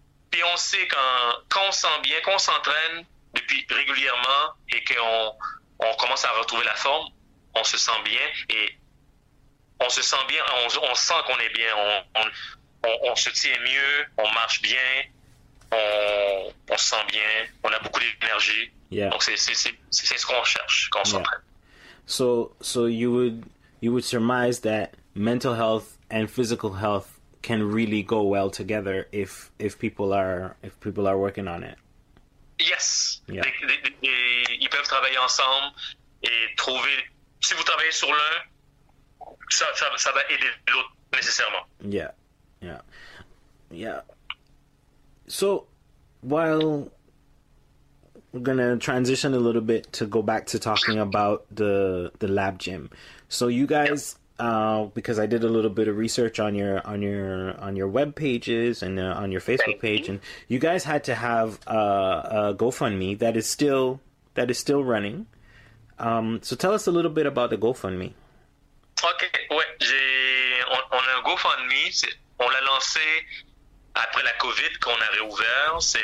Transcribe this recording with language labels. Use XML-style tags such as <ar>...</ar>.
<fr>Puis on sait quand on sent bien, qu'on s'entraîne depuis régulièrement et qu'on commence à retrouver la forme, on se sent bien et on se sent bien, on sent qu'on est bien, on se tient mieux, on marche bien, on se sent bien, on a beaucoup d'énergie.</fr> <en>Yeah.</en> <fr>Donc c'est ce qu'on cherche quand on s'entraîne.</fr> <en>So you would surmise that mental health and physical health can really go well together if people are working on it. Yes. Yeah.</en> <fr>Ils peuvent travailler ensemble et trouver. Si vous travaillez sur l'un, ça va aider l'autre nécessairement.</fr> <en>Yeah. Yeah. Yeah. So, while we're going to transition a little bit to go back to talking about the lab gym. So you guys, because I did a little bit of research on your web pages and on your Facebook page, and you guys had to have a GoFundMe that is still running. So tell us a little bit about the GoFundMe.</en> <fr>Okay, ouais, on a un GoFundMe, on l'a lancé après la COVID qu'on a réouvert.</fr>